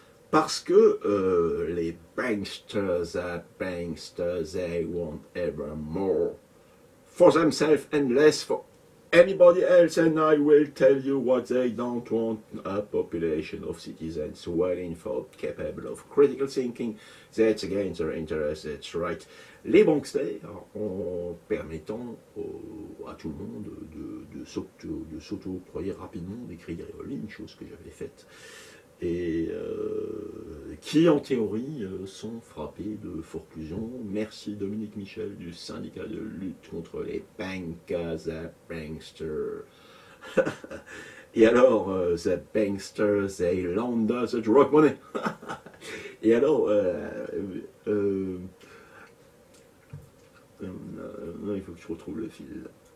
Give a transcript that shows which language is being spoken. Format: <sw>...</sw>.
<fr>Parce que les banksters,</fr> <en>they want ever more for themselves and less for anybody else, and I will tell you what they don't want: a population of citizens well informed, capable of critical thinking. That's against their interest, that's right.</en> <fr>Les banksters, en permettant à tout le monde de s'auto-octroyer rapidement des crédits éoliens, chose que j'avais faite, et qui en théorie sont frappés de forclusion. Merci Dominique Michel du syndicat de lutte contre les bankers,</fr> <en>the banksters.</en> <fr>Et alors,</fr> <en>the banksters, they lend us the drug money.</en> <fr>Et alors, il faut que je retrouve le fil.</fr>